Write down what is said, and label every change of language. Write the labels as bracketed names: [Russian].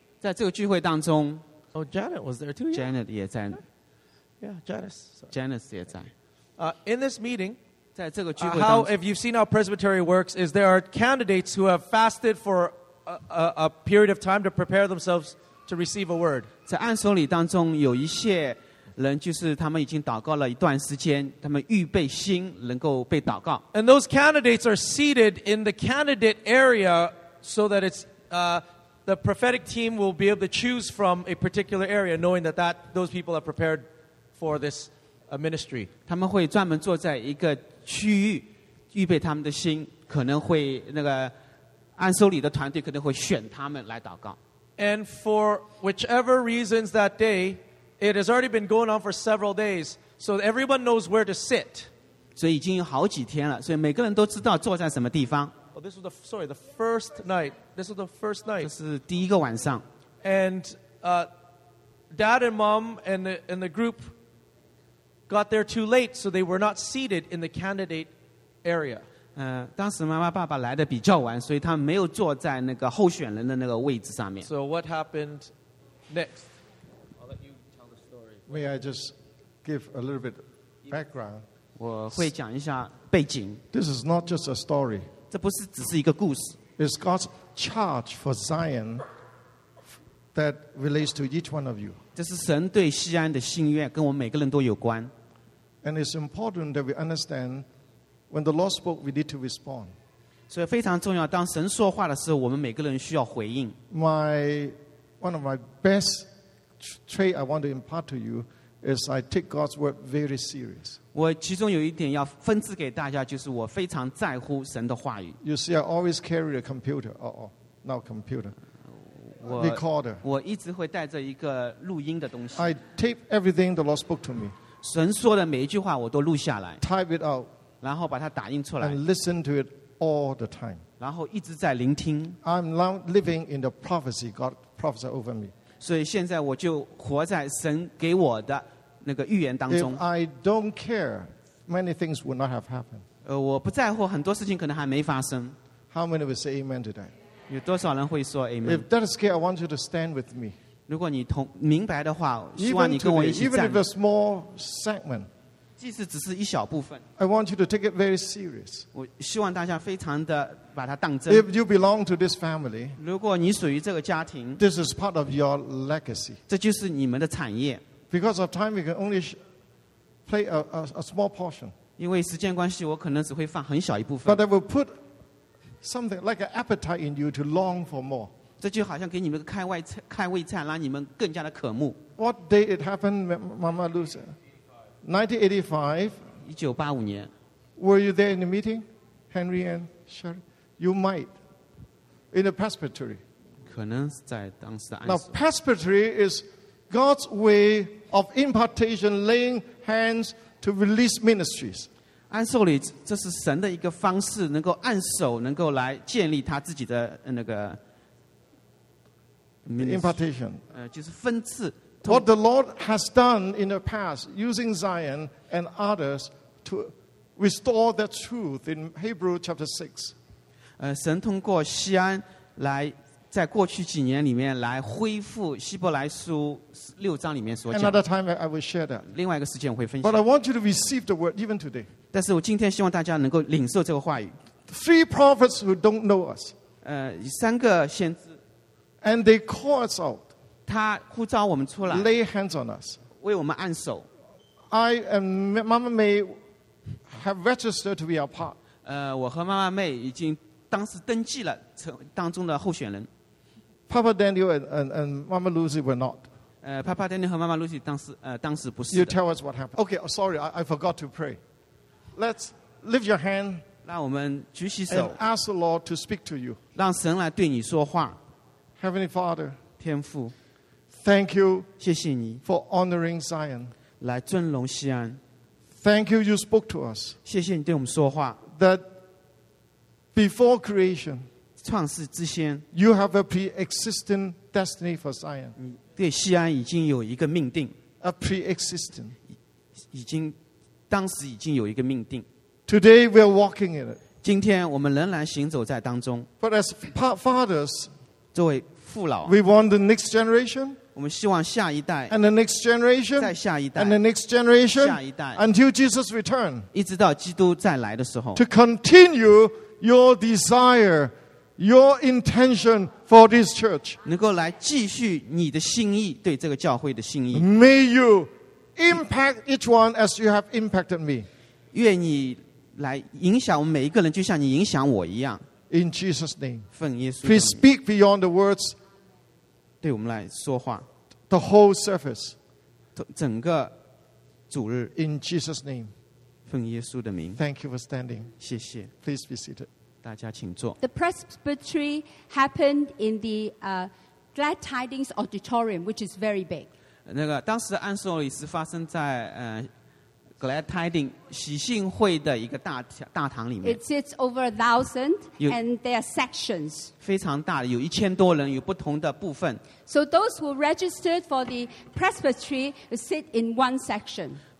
[Chinese] 在这个聚会当中 [English] Oh, Janet was there too. Yeah. [Chinese] Janet 也在。 [English] Yeah, Janice. Sorry. [Chinese] Janice 也在。 [English] In this meeting. [Chinese] 在这个聚会当中 [English] if you've seen how presbytery works, is there are candidates who have fasted for a period of time to prepare themselves to receive a word. [Chinese] 在暗所里当中有一些人就是他们已经祷告了一段时间，他们预备心能够被祷告。 [English] And those candidates are seated in the candidate area so that it's, the prophetic team will be able to choose from a particular area, knowing that, that those people are prepared for this ministry. [Chinese] 他们会专门坐在一个区域，预备他们的心，可能会那个暗搜里的团队可能会选他们来祷告。 [English] And for whichever reasons that day, it has already been going on for several days, so everyone knows where to sit. [Chinese] 所以已经有好几天了，所以每个人都知道坐在什么地方。 [English] Oh, this was the first night. This was the first night. [Chinese] 这是第一个晚上。 [English] And Dad and Mom and the group got there too late, so they were not seated in the candidate area. [Chinese] 当时妈妈爸爸来的比较晚，所以他们没有坐在那个候选人的那个位置上面。 [English] So what happened next? I'll let you tell the story. May I just give a little bit of background? [Chinese] 我会讲一下背景。 [English] This is not just a story. [Chinese] 这不是只是一个故事。 [English] It's God's charge for Zion that relates to each one of you. [Chinese] 这是神对锡安的心愿，跟我们每个人都有关。 [English] And it's important that we understand when the Lord spoke, we need to respond. [Chinese] 所以非常重要，当神说话的时候，我们每个人需要回应。 [English] One of my best traits I want to impart to you is I take God's word very serious. [Chinese] 我其中有一点要分支给大家，就是我非常在乎神的话语。 [English] You see, I always carry a computer. Oh, not computer. Recorder. [Chinese] 我一直会带着一个录音的东西。 [English] I tape everything the Lord spoke to me. [Chinese] 神说的每一句话我都录下来。 [English] Type it out. [Chinese] 然后把它打印出来。 [English] And listen to it all the time. [Chinese] 然后一直在聆听。 [English] I'm now living in the prophecy God prophesied over me. [Chinese] 所以现在我就活在神给我的。那个预言当中 [English] If I don't care, many things would not have happened. [Chinese] 我不在乎，很多事情可能还没发生。 [English] How many will say amen today? [Chinese] 有多少人会说 amen? [English] If that is clear, I want you to stand with me. [Chinese] 如果你同明白的话，希望你跟我一起站。 [English] Even today, even if a small segment, [Chinese] 即使只是一小部分 [English] I want you to take it very serious. [Chinese] 我希望大家非常的把它当真。 [English] If you belong to this family, [Chinese] 如果你属于这个家庭 [English] this is part of your legacy. [Chinese] 这就是你们的产业。 [English] Because of time, we can only play a small portion. [Chinese] 因为时间关系，我可能只会放很小一部分。 [English] But I will put something like an appetite in you to long for more. [Chinese] 这就好像给你们开胃菜，让你们更加的渴慕。 [English] What day it happened, Mama Lucy? 1985. [Chinese] 1985年。 [English] Were you there in the meeting, Henry and Sherry? You might in the presbytery. [Chinese] 可能在当时的安所。 [English] Now presbytery is. God's way of impartation, laying hands to release ministries. [Chinese] 安守里，这是神的一个方式，能够按手，能够来建立他自己的那个 [English] impartation. [Chinese] 就是分赐。 [English] What the Lord has done in the past, using Zion and others to restore that truth in Hebrew chapter 6. [Chinese] 神通过锡安来。在过去几年里面来恢复希伯来书六章里面所讲的 [English] Another time I will share that. [Chinese] 另外一个时间我会分享 [English] But I want you to receive the word even today. [Chinese] 但是我今天希望大家能够领受这个话语 [English] Three prophets who don't know us. [Chinese] 三个先知 [English] And they call us out. [Chinese] 他呼召我们出来 [English] Lay hands on us. [Chinese] 为我们按手 [English] I and Mama May have registered to be our part. [Chinese] 我和妈妈妹已经当时登记了成当中的候选人。 [English] Papa Daniel and Mama Lucy were not. [Chinese] Papa Daniel 和 Mama Lucy 当时不是。 [English] You tell us what happened. Okay, sorry, I forgot to pray. Let's lift your hand. [Chinese] 让我们举起手。 [English] And ask the Lord to speak to you. [Chinese] 让神来对你说话。 [English] Heavenly Father, [Chinese] 天父 [English] ，Thank you， [Chinese] 谢谢你 [English] ，for honoring Zion， [Chinese] 来尊荣锡安。 [English] Thank you, you spoke to us. [Chinese] 谢谢你对我们说话。 [English] That Before creation, [Chinese] 创世之先 [English] you have a pre-existing destiny for Zion. [Chinese] 对锡安已经有一个命定 [English] a pre-existing, [Chinese] 已经当时已经有一个命定 [English] Today we are walking in it. [Chinese] 今天我们仍然行走在当中 [English] But as fathers, [Chinese] 作为父老 [English] we want the next generation, [Chinese] 我们希望下一代 [English] and the next generation, [Chinese] 再下一代 [English] and the next generation, [Chinese] 下一代 [English] until Jesus return, [Chinese] 一直到基督再来的时候 [English] to continue. Your desire your intention for this church. [Chinese] 能够来继续你的心意对这个教会的心意。 [English] May you impact each one as you have impacted me. [Chinese] 愿你来影响我们每一个人，就像你影响我一样。 [English] In Jesus' name. [Chinese] 奉耶稣的名。 [English] Please speak beyond the words. [Chinese] 对我们来说话。 [English] The whole service. [Chinese] 整个主日。 [English] In Jesus' name. [Chinese] 奉耶稣的名。 [English] Thank you for standing. [Chinese] 谢谢。 [English] Please be seated. The presbytery happened in the Glad Tidings Auditorium, which is very big. [Chinese] 那个当时安索里是发生在 Glad Tidings 喜信会的一个大堂里面. [English] It sits over 1,000, and there are sections. [Chinese] 非常大的，有1,000多人，有不同的部分. [English] So those who registered for the presbytery sit in one section.